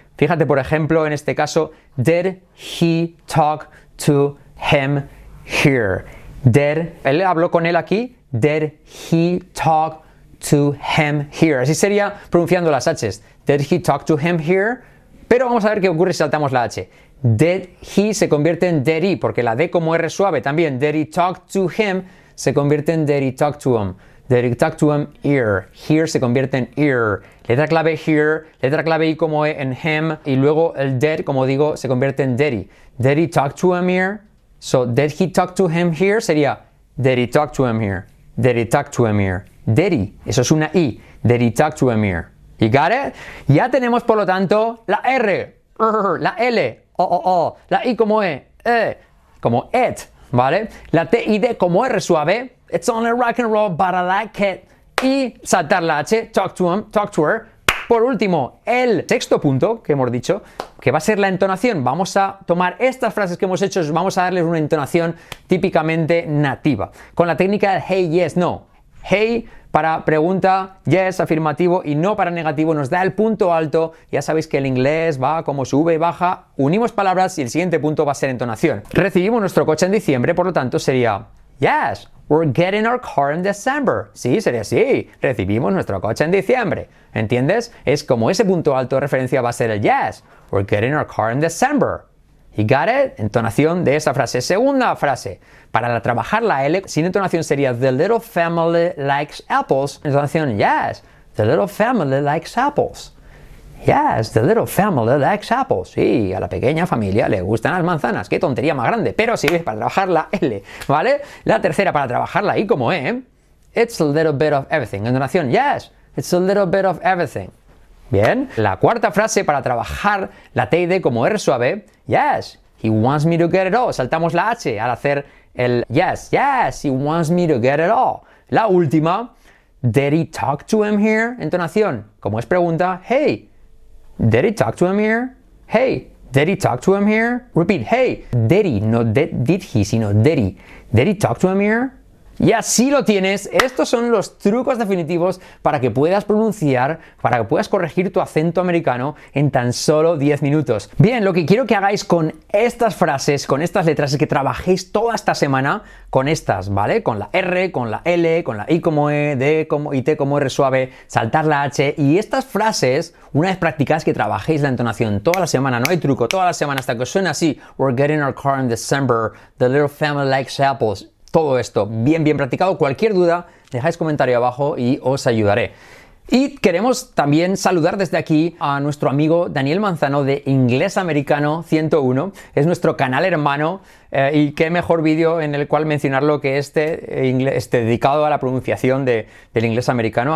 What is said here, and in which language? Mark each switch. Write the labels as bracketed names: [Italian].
[Spanish] Fíjate, por ejemplo, en este caso, [English] did he talk to him here? Did, [Spanish] él habló con él aquí. [English] Did he talk to him here? [Spanish] Así sería pronunciando las H's. [English] Did he talk to him here? [Spanish] Pero vamos a ver qué ocurre si saltamos la H. [English] Did he [Spanish] se convierte en did he, porque la D como R suave también. [English] Did he talk to him [Spanish] se convierte en [English] did he talk to him. Did he talk to him here. Here [Spanish] se convierte en [English] ear. [Spanish] Letra clave here, letra clave I como E en him, y luego el did, como digo, se convierte en [English] did he. Did he talk to him here? So, did he talk to him here? [Spanish] Sería, [English] did he talk to him here? Did he talk to him here? Did he? [Spanish] Eso es una I. [English] Did he talk to him here? You got it? [Spanish] Ya tenemos, por lo tanto, la R. La L. La I como E. Como it. ¿Vale? La T I D como R suave. [English] It's only rock and roll, but I like it. [Spanish] Y saltar la H. [English] Talk to him. Talk to her. [Spanish] Por último, el sexto punto que hemos dicho, que va a ser la entonación. Vamos a tomar estas frases que hemos hecho y vamos a darles una entonación típicamente nativa. Con la técnica del hey, yes, no. Hey para pregunta, yes, afirmativo, y no para negativo. Nos da el punto alto. Ya sabéis que el inglés va como sube y baja. Unimos palabras y el siguiente punto va a ser entonación. Recibimos nuestro coche en diciembre, por lo tanto sería [English] yes, we're getting our car in December. [Spanish] Sí, sería así. Recibimos nuestro coche en diciembre. ¿Entiendes? Es como ese punto alto de referencia va a ser el yes. [English] We're getting our car in December. You got it? [Spanish] Entonación de esa frase. Segunda frase. Para trabajar la L, sin entonación sería [English] the little family likes apples. [Spanish] Entonación, yes. [English] The little family likes apples. Yes, the little family likes apples. [Spanish] Sí, a la pequeña familia le gustan las manzanas. Qué tontería más grande. Pero sirve para trabajar la L, ¿vale? La tercera para trabajar la I como E. [English] It's a little bit of everything. Entonación, yes. It's a little bit of everything. [Spanish] Bien. La cuarta frase para trabajar la T y D como R suave. [English] Yes, he wants me to get it all. [Spanish] Saltamos la H al hacer el yes. [English] Yes, he wants me to get it all. [Spanish] La última. [English] Did he talk to him here? [Spanish] Entonación. Como es pregunta. Hey. [English] Did he talk to him here? Hey. Did he talk to him here? Repeat. Hey. Did he. No did he, sino did he. Did he talk to him here? [Spanish] Y así lo tienes. Estos son los trucos definitivos para que puedas pronunciar, para que puedas corregir tu acento americano en tan solo 10 minutos. Bien, lo que quiero que hagáis con estas frases, con estas letras, es que trabajéis toda esta semana con estas, ¿vale? Con la R, con la L, con la I como E, D como I, T como R suave, saltar la H. Y estas frases, una vez practicadas, que trabajéis la entonación toda la semana, no hay truco, toda la semana, hasta que os suene así. [English] We're getting our car in December, the little family likes apples. [Spanish] Todo esto bien, bien practicado. Cualquier duda, dejáis comentario abajo y os ayudaré. Y queremos también saludar desde aquí a nuestro amigo Daniel Manzano de Inglés Americano 101. Es nuestro canal hermano y qué mejor vídeo en el cual mencionarlo que este dedicado a la pronunciación del inglés americano.